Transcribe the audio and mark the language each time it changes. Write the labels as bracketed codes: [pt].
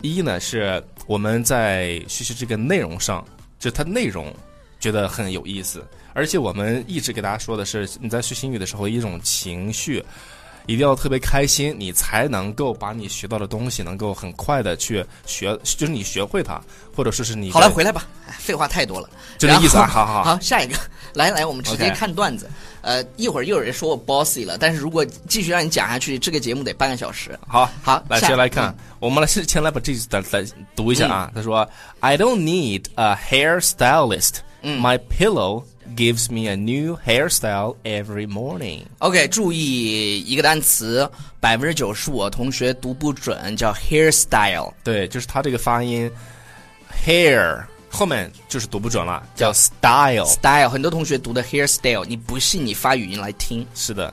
[zh] 一呢是我们在学习这个内容上，就它内容觉得很有意思，而且我们一直给大家说的是你在学英语的时候一种情绪一定要特别开心，你才能够把你学到的东西能够很快的去学，就是你学会它，或者说是你好了回来吧，废话太多了，就这意思啊。好好好，下一个，来来，我们直接看段子、 [en] okay. [zh] 一会儿又有人说我 bossy 了，但是如果继续让你讲下去这个节目得半个小时。好来，先来看、嗯、我们先来把这句再读一下啊、嗯、 [en] 他说 I don't need a hairstylistMy pillow gives me a new hairstyle every morning. [zh] OK, 注意一个单词 ,95% 是我同学读不准，叫 hairstyle。对，就是他这个发音 ,hair, 后面就是读不准了，叫 style。 style, 很多同学读的 hairstyle, 你不信你发语音来听。是的、